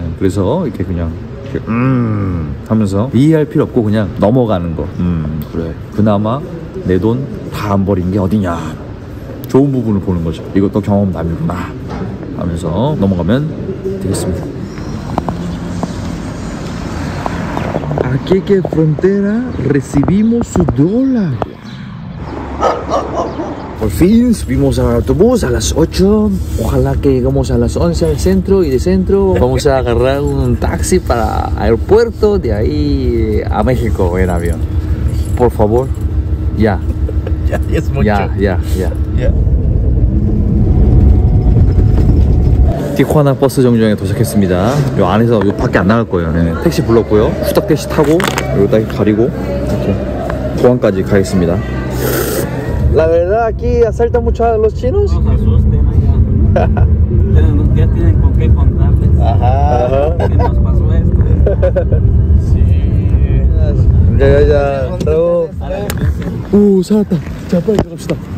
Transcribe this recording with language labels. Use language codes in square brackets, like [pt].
[ko] 그래서 이렇게 그냥 하면서 이해할 필요 없고 그냥 넘어가는 거. 그래. 그나마 내 돈 다 안 버린 게 어디냐. 좋은 부분을 보는 거죠. 이것도 경험담이구나. 하면서 넘어가면 되겠습니다. [es] Aquí que frontera recibimos su dólar. Por fin subimos al autobús a las 8. Ojalá que lleguemos a las 11 al centro y de centro vamos a agarrar un taxi para aeropuerto de ahí a México en avión. Por favor. Ya. Ya es mucho. Ya. [ko] Tijuana 버스 정류장에 도착했습니다. 요 안에서 요 밖에 안 나갈 거예요. 네. 택시 불렀고요. 후딱 택시 타고 여기다 가리고 이렇게 공항까지 가겠습니다. [es] La verdad aquí asaltan mucho a los chinos. Nos asusten allá. Pero ya tienen con qué contarles. Ajá. ¿Qué nos pasó esto? Sí. Ya. Salta. Ya, pues, [ko] 갑시다.